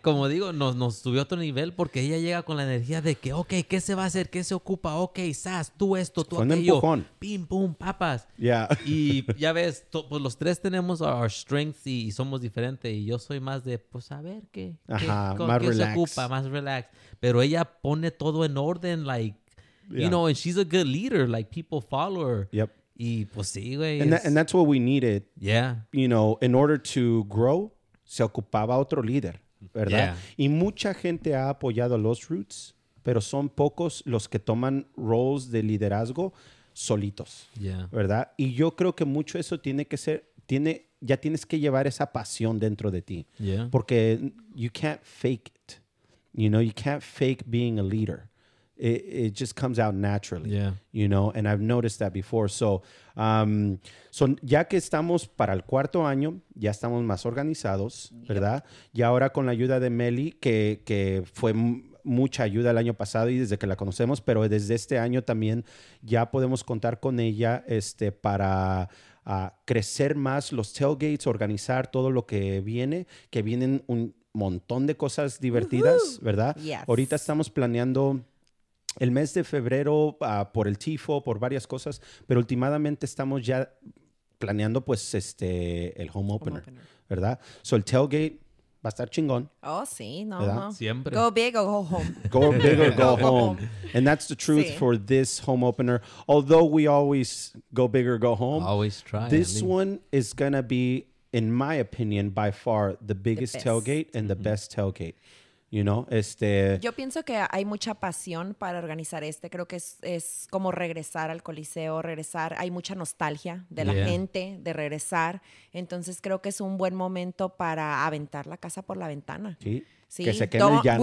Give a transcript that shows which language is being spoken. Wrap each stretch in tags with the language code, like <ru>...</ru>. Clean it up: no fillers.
<es>Como digo, nos subió a otro nivel porque ella llega con la energía de que, ok, ¿qué se va a hacer? ¿Qué se ocupa? Ok, sas, tú esto, tú con aquello. Un empujón. ¡Pim, pum, papas!</es> <en>Yeah.</en> <es>Y ya ves, pues los tres tenemos</es> <en>our strengths</en> <es>y somos diferentes. Y yo soy más de, pues, a ver qué. Ajá, qué, más qué relax. Se ocupa, más relax. Pero ella pone todo en orden,</es> <en>like, you know, and she's a good leader, like people follow her. Yep.</en> <es>Y pues sí, güey.</es> <en>And that's what we needed. Yeah. You know, in order to grow,</en> <es>se ocupaba otro líder, ¿verdad?</es> <en>Yeah.</en> <es>Y mucha gente ha apoyado a Los Roots, pero son pocos los que toman roles de liderazgo solitos.</es> <en>Yeah.</en> <es>¿Verdad? Y yo creo que mucho eso tiene que ser, ya tienes que llevar esa pasión dentro de ti.</es> <en>Yeah. Porque you can't fake it. You know, you can't fake being a leader. It just comes out naturally, you know, and I've noticed that before.</en> <es>So ya que estamos para el cuarto año, ya estamos más organizados, ¿verdad? Y ahora con la ayuda de Meli, que fue mucha ayuda el año pasado y desde que la conocemos, pero desde este año también ya podemos contar con ella para crecer más los tailgates, organizar todo lo que viene, que vienen un montón de cosas divertidas, ¿verdad?</es> <en>Yes.</en> <es>Ahorita estamos planeando... El mes de febrero, por el tifo, por varias cosas, pero últimamente estamos ya planeando, pues, el home opener, ¿verdad? So, el tailgate va a estar chingón. Oh, sí, no, ¿verdad? No. Siempre.</es> <en>Go big or go home. Go big or go home. And that's the truth for this home opener. Although we always go big or go home. Always try. This one is going to be, in my opinion, by far the biggest tailgate and the best tailgate. You know,</en> <es>yo pienso que hay mucha pasión para organizar creo que es como regresar al Coliseo, hay mucha nostalgia de la gente, de regresar, entonces creo que es un buen momento para aventar la casa por la ventana. Sí. Sí, que se queme el llano.</es>